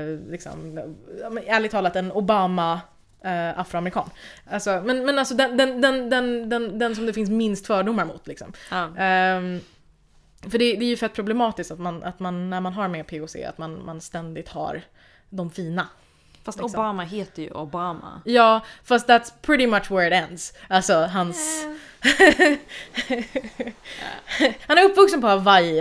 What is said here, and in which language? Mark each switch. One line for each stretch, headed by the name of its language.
Swedish: Liksom, ärligt talat en Obama afroamerikan. Alltså, men alltså den som det finns minst fördomar mot liksom. Ja. För det är ju fett problematiskt att man när man har med POC att man ständigt har de fina. Fast liksom. Obama heter ju Obama. Ja, fast
English: that's pretty much where it ends.
Swedish: Alltså hans Han är uppvuxen på Hawaii.